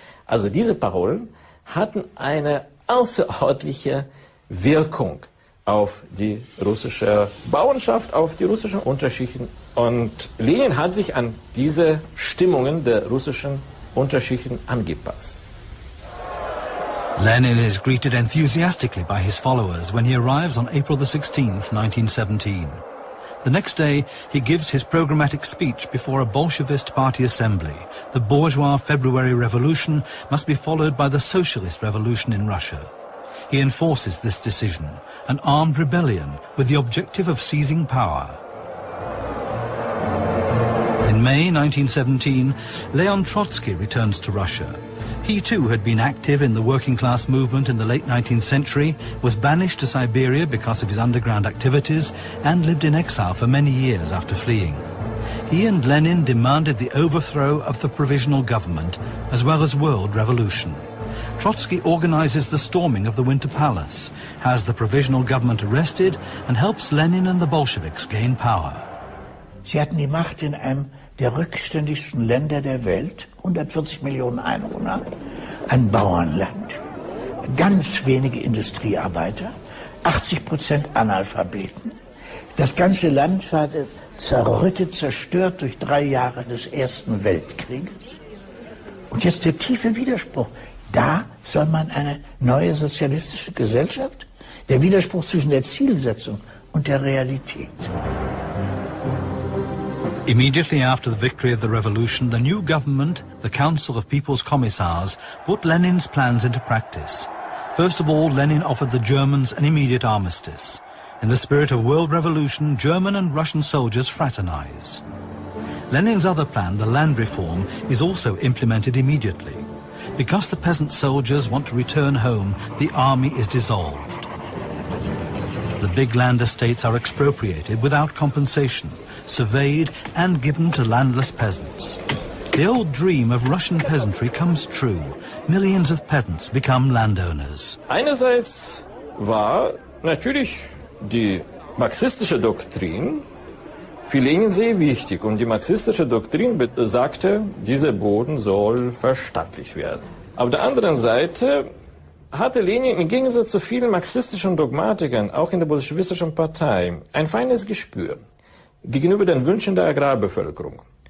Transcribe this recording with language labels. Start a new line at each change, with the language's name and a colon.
German: Also diese Parolen hatten eine außerordentliche Wirkung auf die russische Bauernschaft, auf die russischen Unterschichten. Und Lenin hat sich an diese Stimmungen der russischen Unterschichten angepasst.
English: Lenin is greeted enthusiastically by his followers when he arrives on April the 16th, 1917. The next day, he gives his programmatic speech before a Bolshevist party assembly. The bourgeois February Revolution must be followed by the socialist revolution in Russia. He enforces this decision, an armed rebellion with the objective of seizing power. In May 1917, Leon Trotsky returns to Russia. He too had been active in the working class movement in the late 19th century, was banished to Siberia because of his underground activities, and lived in exile for many years after fleeing. He and Lenin demanded the overthrow of the provisional government, as well as world revolution. Trotsky organizes the storming of the Winter Palace, has the provisional government arrested, and helps Lenin and the Bolsheviks gain power.
German: Sie hatten die Macht in einem der rückständigsten Länder der Welt, 140 Millionen Einwohner, ein Bauernland, ganz wenige Industriearbeiter, 80% Analphabeten. Das ganze Land war zerrüttet, zerstört durch 3 Jahre des Ersten Weltkrieges. Und jetzt der tiefe Widerspruch. Da soll man eine neue sozialistische Gesellschaft? Der Widerspruch zwischen der Zielsetzung und der Realität.
English: Immediately after the victory of the revolution, the new government, the Council of People's Commissars, put Lenin's plans into practice. First of all, Lenin offered the Germans an immediate armistice. In the spirit of world revolution, German and Russian soldiers fraternize. Lenin's other plan, the land reform, is also implemented immediately. Because the peasant soldiers want to return home, the army is dissolved. The big land estates are expropriated without compensation, surveyed and given to landless peasants. The old dream of Russian peasantry comes true. Millions of peasants become landowners.
German: Einerseits war natürlich die marxistische Doktrin für Lenin sehr wichtig. Und die marxistische Doktrin sagte, dieser Boden soll verstaatlicht werden. Auf der anderen Seite hatte Lenin im Gegensatz zu vielen marxistischen Dogmatikern, auch in der bolschewistischen Partei, ein feines Gespür gegenüber den Wünschen der Agrarbevölkerung.